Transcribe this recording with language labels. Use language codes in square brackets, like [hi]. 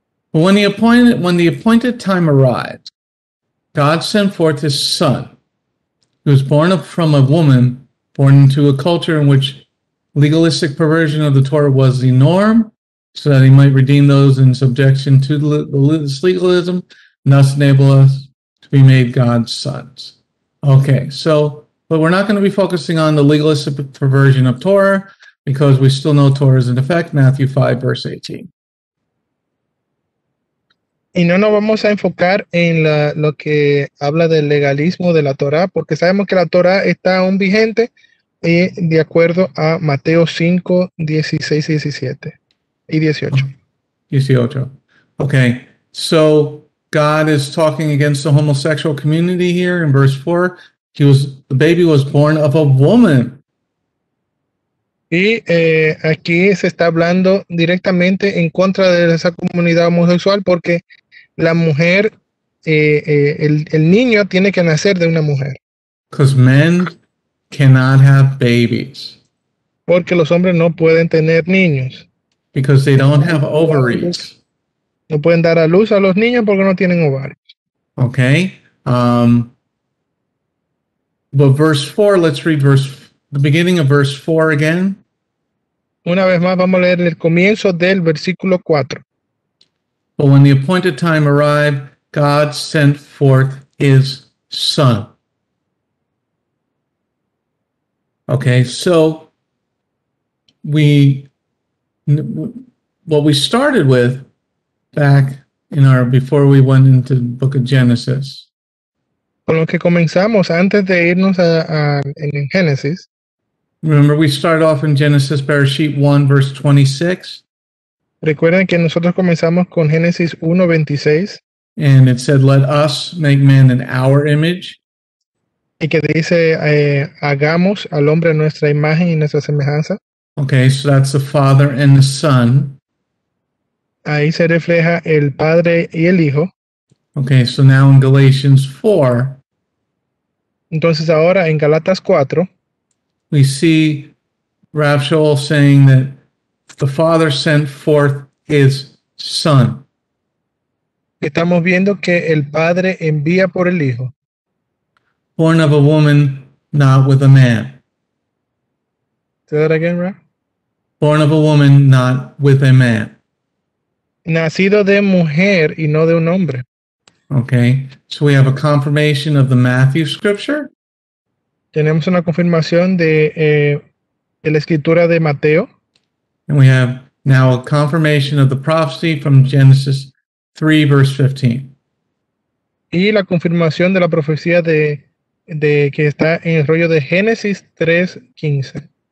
[en] When the appointed time arrived, God sent forth his son, who was born from a woman, born into a culture in which legalistic perversion of the Torah was the norm, so that he might redeem those in subjection to this legalism, and thus enable us to be made God's sons. Okay, so, but we're not going to be focusing on the legalistic perversion of Torah, because we still know Torah is in effect, Matthew 5, verse 18. [es] Y no nos vamos a enfocar en lo que habla del legalismo de la Torá, porque sabemos que la Torá está aún vigente de acuerdo a Mateo 5, 16, 17 y 18. [en] 18. Okay, so God is talking against the homosexual community here in verse 4. The baby was born of a woman. [es] Y aquí se está hablando directamente en contra de esa comunidad homosexual porque la mujer, el niño tiene que nacer de una mujer. [en] Because men cannot have babies. [es] Porque los hombres no pueden tener niños. [en] Because they don't have ovaries. [es] No pueden dar a luz a los niños porque no tienen ovarios. [en] Okay. But verse 4, let's read the beginning of verse 4 again. [es] Una vez más, vamos a leer el comienzo del versículo 4. [en] But when the appointed time arrived, God sent forth his son. Okay, so what we started with back in our before we went into the book of Genesis. [es] Con lo que comenzamos antes de irnos en Génesis. [en] Remember, we started off in Genesis Bereshit 1, verse 26. [es] Recuerden que nosotros comenzamos con Génesis 1, 26. [en] And it said, "Let us make man in our image." [es] Y que dice, hagamos al hombre a nuestra imagen y nuestra semejanza. [en] Okay, so that's the Father and the Son. [es] Ahí se refleja el Padre y el Hijo. [en] Okay, so now in Galatians 4, [es] Entonces ahora en Gálatas 4. [en] we see Rav Scholl saying that the Father sent forth his Son. [es] Estamos viendo que el Padre envía por el Hijo. [en] Born of a woman, not with a man. Say that again, Ra. Born of a woman, not with a man. [es] Nacido de mujer y no de un hombre. [en] Okay, so we have a confirmation of the Matthew scripture. [es] Tenemos una confirmación de la escritura de Mateo. [en] And we have now a confirmation of the prophecy from Genesis 3, verse 15. [es] Y la confirmación de la profecía de que está en el rollo de Génesis 3:15.